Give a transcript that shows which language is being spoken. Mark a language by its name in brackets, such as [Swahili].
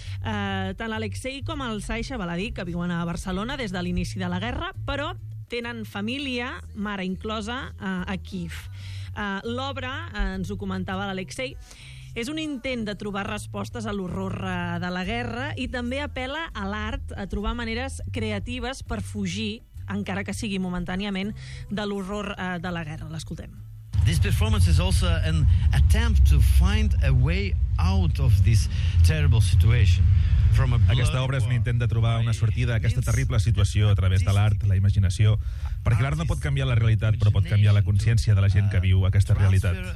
[Catalan] Tant l'Alexei com el Saixa, val a dir, que viuen a Barcelona des de l'inici de la guerra, però tenen família, mare inclosa, a Kiev. L'obra, ens ho comentava l'Alexei, és un intent de trobar respostes a l'horror de la guerra i també apel·la a l'art, a trobar maneres creatives per fugir, encara que sigui momentàniament, de l'horror de la guerra. L'escoltem. [English] This performance is also an attempt to find a way out of this terrible situation. [Catalan] Aquesta obra és un intent de trobar una sortida a aquesta terrible situació a través de l'art, la imaginació, perquè l'art no pot canviar la realitat, però pot canviar la consciència de la gent que viu aquesta realitat.